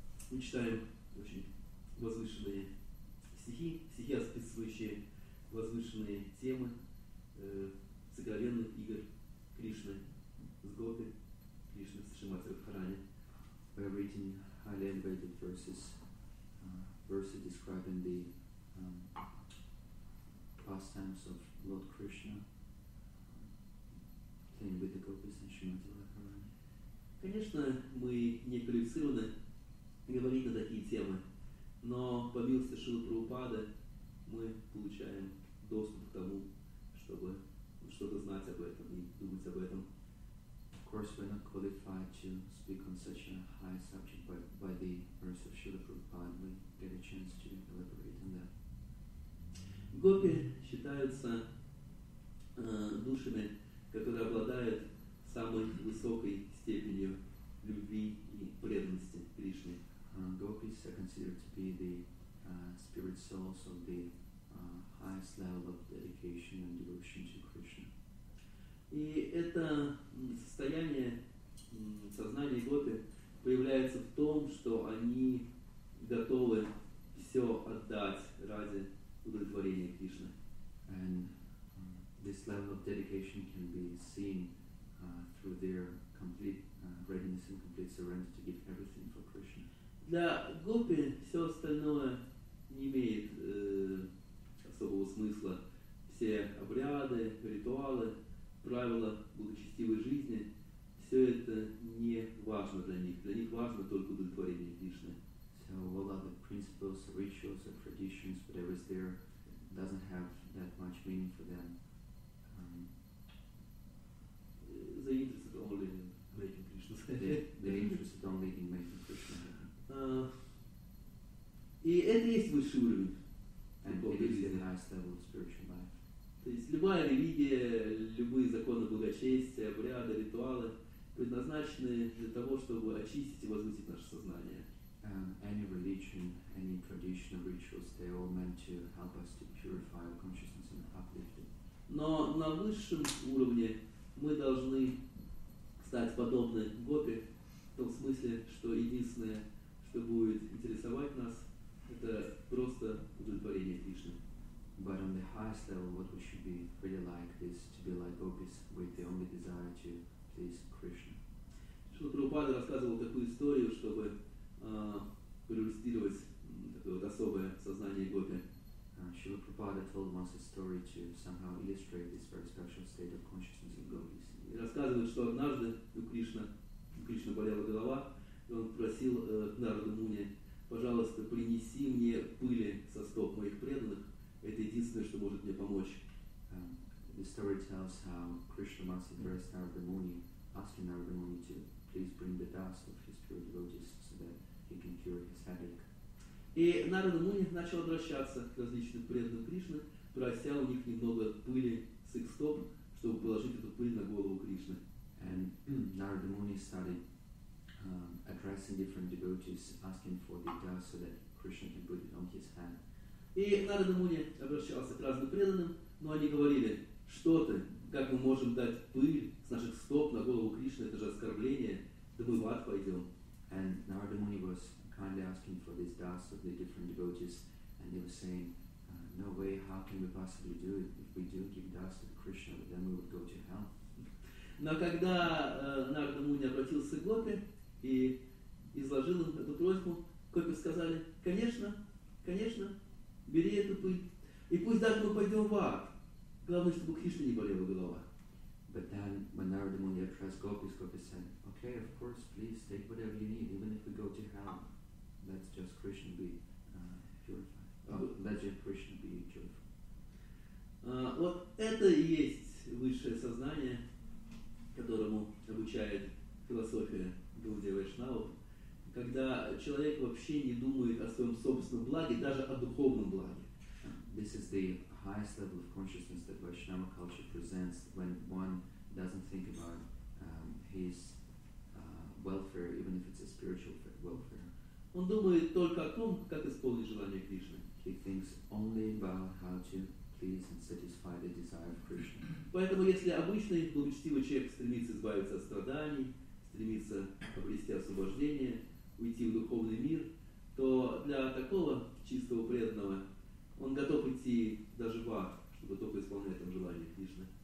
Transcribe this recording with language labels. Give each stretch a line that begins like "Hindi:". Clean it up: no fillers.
Russian: Мы читаем очень возвышенные стихи, стихи, описывающие возвышенные темы, сокровенных игр Кришны с Гопи, Кришны с Шримати Радхарани.
English: We are reading highly elevated verses, verses describing the pastimes of Lord Krishna, playing with the Gopis and Шримати Радхарани.
Russian: Конечно, мы не квалифицированы говорить на такие темы, но по милости Шрилы Прабхупады мы получаем доступ к тому, чтобы что-то знать об этом и думать об этом.
English: Of course, we're not qualified to speak on such a high subject, but by the verse of Srila Prabhupada, we get a chance to elaborate on that.
Russian: Гопи считаются душами, которые обладают самой высокой степенью любви и преданности Кришне.
English: Gopis are considered to be the spirit souls of the highest level of dedication and devotion to Krishna.
Russian: И это состояние сознания гопи появляется в том, что они готовы все отдать ради удовлетворения Кришны.
English: And this level of dedication can be seen through their complete readiness and complete surrender to give everything for Krishna.
Russian: Для гопи все остальное не имеет особого смысла. Все обряды, ритуалы, правила благочестивой жизни, все это не важно для них. Для них важно только удовлетворение Кришны.
English: So all other principles, rituals and traditions, whatever is there, doesn't have that much meaning for them. They're interested only in making Krishna happy. They're interested only in making Krishna happy.
Russian: И это есть высший уровень.
English: And it is the highest level of spiritual life.
Russian: То есть любая религия, любые законы благочестия, обряды, ритуалы предназначены для того, чтобы очистить и возвысить наше сознание.
English: Any religion, any tradition or rituals, they are all meant to help us to purify our consciousness and uplift it.
Russian: Но на высшем уровне мы должны стать подобны гопи, в том смысле, что единственное, что будет интересовать нас, это просто удовлетворение Кришны.
English: But on the highest level, what we should be really like is to be like Gopis with the only desire to please Krishna.
Russian: Шрила Прабхупада рассказывал такую историю, чтобы проиллюстрировать такое вот особое сознание Гопи.
English: Шрила Прабхупада told us a story to somehow illustrate this very special state of consciousness in Gopis.
Russian: И рассказывает, что однажды у Кришны болела голова, И он просил Нарада Муни: пожалуйста, принеси мне пыли со стоп моих преданных. Это единственное, что может мне помочь.
English: The story tells how Krishna once addressed Narada Muni, asking Narada Muni to please bring the dust of his pure devotees so that he can cure his headache.
Russian: И Нарада Муни начал обращаться к различным преданным Кришны, прося у них немного пыли с их стоп, чтобы положить эту пыль на голову Кришны.
English: And Narada Muni started addressing different devotees, asking for the dust so that Krishna can put it on his head.
Russian: И Нарада Муни обращался к разным преданным, но они говорили: что ты, как мы можем дать пыль с наших стоп на голову Кришны, это же оскорбление, да мы в ад пойдем.
English: And Narada Muni was kindly asking for this dust of the different devotees, and they were saying, no way, how can we possibly do it? If we do give dust to Krishna, then we would go to hell.
Russian: Но когда Нарада Муни обратился к Гопи и изложил им эту просьбу, Гопи сказали: конечно, конечно, бери эту пыль, и пусть даже мы пойдем в ад. Главное, чтобы Кришна не болела голова.
English: But then, when Narada Muni addressed Gopis, Gopis said, okay, of course, please take whatever you need, even if we go to hell. Let's just Krishna be purified. Let Krishna be purified.
Russian: Вот это и есть высшее сознание, которому обучает философия Гаудия Вайшнавов, когда человек вообще не думает о своем собственном благе, даже о духовном благе.
English: This is the highest level of consciousness that Vaishnava culture presents, when one doesn't think about his welfare, even if it's a spiritual welfare.
Russian: Он думает только о том, как исполнить желание Кришны.
English: He thinks only about how to please and satisfy the desire of Krishna.
Russian: Поэтому, если обычный благочестивый человек стремится избавиться от страданий, стремится обрести освобождение, уйти в духовный мир, то для такого чистого преданного он готов идти даже в ад, чтобы только исполнять там желание Кришны.